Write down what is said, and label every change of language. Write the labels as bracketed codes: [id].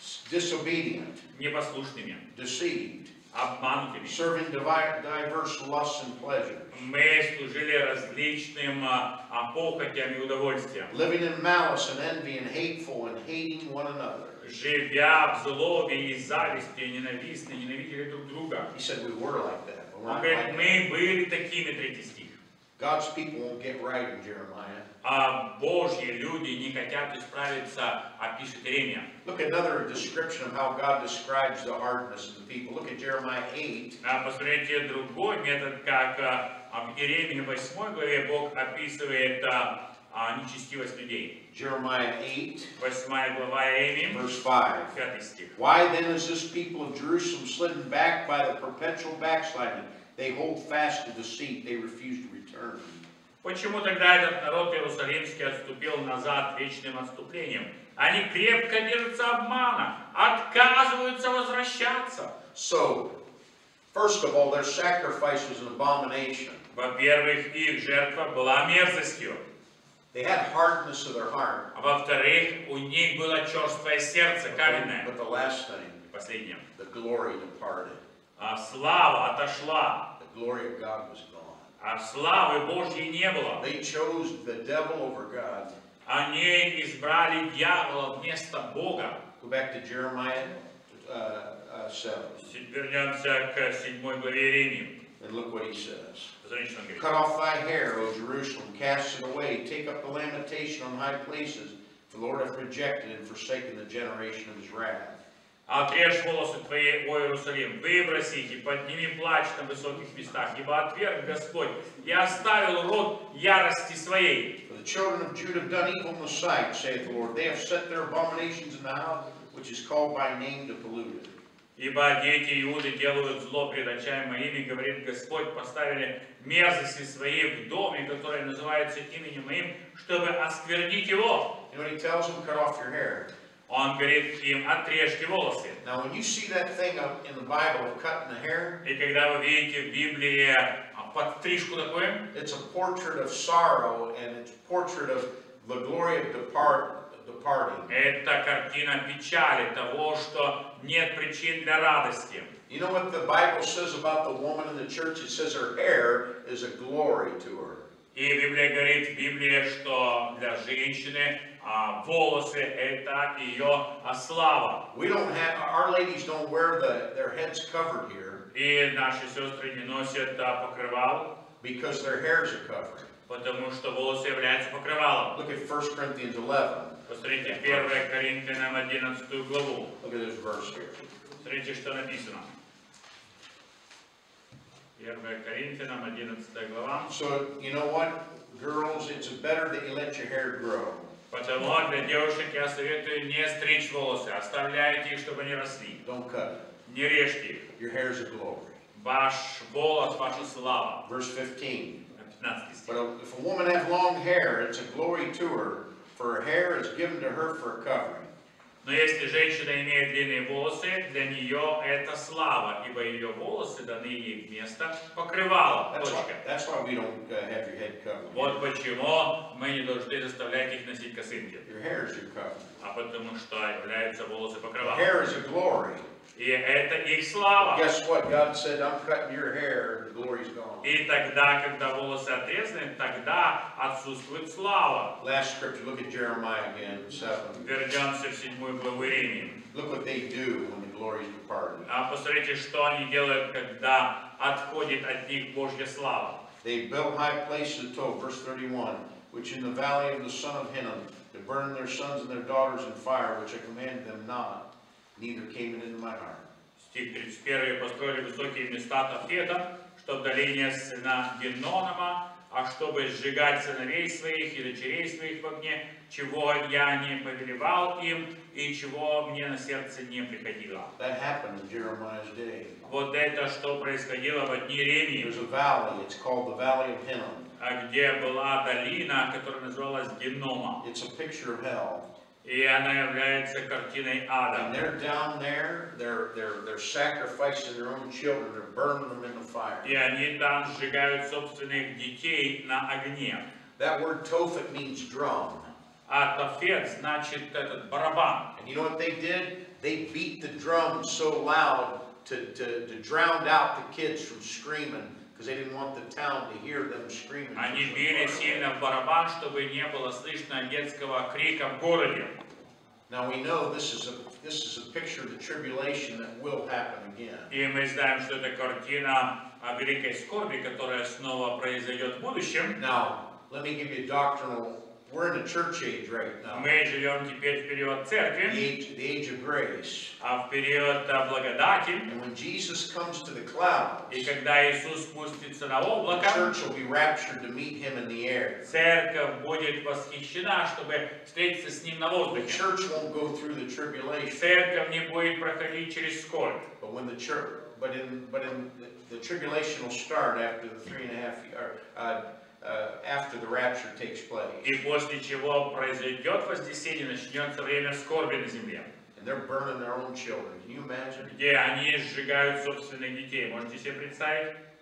[en] Disobedient, [ru] непослушными, [en] deceived, [ru] обманутыми, [en] serving diverse lusts and pleasures, [ru] мы служили различным похотям и удовольствиям, [en] living in malice and envy and hateful and hating one another, [ru] живя в злобе и зависти, ненавидели друг друга. [en] He said we were like that. [ru] Мы были такими, третий стих. [en] God's people won't get right in Jeremiah. [ru] А Божьи люди не хотят исправиться, опишет Иеремия. [en] Look at another description of how God describes the hardness of the people. Look at Jeremiah 8. [ru] А посмотрите другой метод, как в Иеремии 8 главе Бог описывает нечестивость людей. [en] Jeremiah 8. [ru] 8 глава Иеремии. [en] Verse 5. [ru] 5 стих. [en] Why then is this people of Jerusalem slidden back by the perpetual backsliding? They hold fast to deceit. They refuse to return. [ru] Почему тогда этот народ Иерусалимский отступил назад вечным отступлением? Они крепко держатся обмана, отказываются возвращаться. [en] So, first of all, their sacrifice was an abomination. [ru] Во-первых, их жертва была мерзостью. [en] They had hardness of their heart. [ru] А во-вторых, у них было черствое сердце, каменное. [en] But the last thing, [ru] последнее, [en] the glory departed. [ru] А слава отошла. [en] The glory of God was gone. [ru] А славы Божьей не было. [en] They chose the devil over God. [ru] Они избрали дьявола вместо Бога. [en] Go back to Jeremiah 7. [ru] Вернемся к 7 главе Иеремии. [en] And look what he says. [ru] Посмотрите, он говорит. [en] Cut off thy hair, O Jerusalem, cast it away. Take up the lamentation on high places. For the Lord hath rejected and forsaken the generation of his wrath. [ru] Отрежь волосы твои, о Иерусалим, выброси их, подними плач на высоких местах, ибо отверг Господь и оставил род ярости своей. [en] For the children of Judah have done evil in the sight, saith the Lord. They have set their abominations in the house, which is called by name to pollute it. [ru] Ибо дети Иуды делают зло пред очами моими, говорит Господь, поставили мерзости свои в доме, который называется именем моим, чтобы осквернить его. [en] And when he tells them, cut off your hair. [ru] Он говорит им, отрежьте волосы. [en] Now, when you see that thing in the Bible of cutting the hair, [ru] и когда вы видите в Библии подстрижку такую, [en] it's a portrait of sorrow and it's a portrait of the glory of departing. [ru] Это картина печали того, что нет причин для радости. [en] You know what the Bible says about the woman in the church? It says her hair is a glory to her. [ru] И Библия говорит в Библии, что для женщины волосы это ее слава. [en] We don't have, our ladies don't wear their heads covered here. [ru] И наши сестры не носят покрывал. [en] Because their hairs are covered. [ru] Потому что волосы являются покрывалом. [en] Look at 1 Corinthians 11. [ru] Посмотрите 1 Коринфянам 11 главу. [en] Look at this verse here. [ru] Смотрите, что написано. 1 Коринфянам 11 глава. [en] So, you know what, girls, it's better that you let your hair grow. [ru] Потому для девушек я советую не стричь волосы, оставляйте их, чтобы они росли. [en] Don't cut. [ru] Не режьте их. [en] Your hair is a glory. [ru] Ваш волос, ваша слава. [en] Verse 15. [ru] 15 стих. [en] But if a woman has long hair, it's a glory to her, for her hair is given to her for a covering. [ru] Но если женщина имеет длинные волосы, для нее это слава, ибо ее волосы даны ей вместо покрывала. [en] That's why we don't have your head covered. [ru] Вот почему мы не должны заставлять их носить косынки. [en] Your hair is your covering. [ru] А потому что являются волосы покрывала. [en] Your hair is a glory. [ru] И это их слава. [en] Guess what? God said, I'm cutting your hair, the glory's gone. [ru] И тогда, когда волосы отрезаны, тогда отсутствует слава. [en] Last scripture, look at Jeremiah again, 7. [ru] Вернемся в 7 главу Иеремии. [en] Look what they do when the glory's departed. [ru] А посмотрите, что они делают, когда отходит от них Божья слава. [en] They built high places in Tob, verse 31, which in the valley of the son of Hinnom, to burn their sons and their daughters in fire, which I commanded them not. Neither came it into my heart. [ru] Стих 31. Построили высокие места Тофета, что в долине сына Гиннома, а чтобы сжигать сыновей своих и дочерей своих в огне, чего я не повелевал им и чего мне на сердце не приходило. [en] That happened in Jeremiah's day. [ru] Вот это что происходило в дни Иеремии. [en] There's a valley, it's called the Valley of Hinnom. [ru] А где была долина, которая называлась Гиннома. [en] It's a picture of hell. [ru] И она является картиной ада. [en] And they're down there, they're sacrificing their own children, they're burning them in the fire. [ru] И они там сжигают собственных детей на огне. [en] That word Tophet means drum. [ru] А Тофет значит этот барабан. [en] And you know what they did? They beat the drum so loud to drown out the kids from screaming. Because they didn't want the town to hear them screaming. [ru] Они били сильно в барабан, чтобы не было слышно детского крика в городе. [en] Now we know this is a picture of the tribulation that will happen again. [ru] И мы знаем, что это картина о великой скорби, которая снова произойдет в будущем. [en] Now let me give you a doctrinal. We're in the church age right now. [ru] Мы живем теперь в период церкви. [en] The age of grace. [ru] А в период благодати. [en] And when Jesus comes to the clouds. [ru] И когда Иисус спустится на облака. [en] The church will be raptured to meet him in the air. [ru] Церковь будет восхищена, чтобы встретиться с ним на воздухе. [en] The church won't go through the tribulation. [ru] Церковь не будет проходить через скорбь. [en] But when the church, the tribulation will start after the 3.5 years. After the rapture takes place. [ru] И после чего произойдет вознесение, начнется время скорби на земле. [en] And they're burning their own children. Can you imagine? [ru] Где они сжигают собственных детей. Можете себе представить?